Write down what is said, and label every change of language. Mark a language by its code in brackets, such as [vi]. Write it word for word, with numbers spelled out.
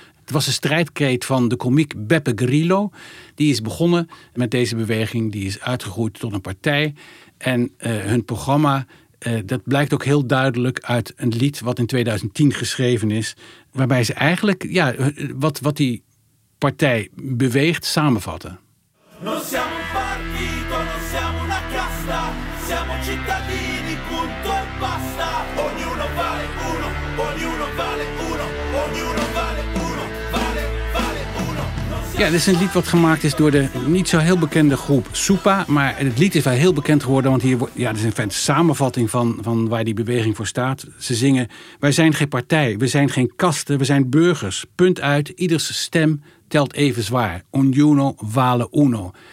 [nl] Het was een strijdkreet van de komiek Beppe Grillo. Die is begonnen met deze beweging. Die is uitgegroeid tot een partij. En eh, hun programma, eh, dat blijkt ook heel duidelijk uit een lied wat in tweeduizend tien geschreven is. Waarbij ze eigenlijk ja, wat, wat die partij beweegt samenvatten. [it] Non siamo un partito, non siamo una casta, siamo cittadini, punto e basta. Ognuno vale uno, ognuno vale uno, ognuno vale uno, vale, vale uno. [nl] Ja, dit is een lied wat gemaakt is door de niet zo heel bekende groep Supa. Maar het lied is wel heel bekend geworden, want hier ja, dit is een fijn samenvatting van, van waar die beweging voor staat. Ze zingen, wij zijn geen partij, we zijn geen kasten, we zijn burgers. Punt uit, ieders stem telt even zwaar. [it] Ognuno vale uno.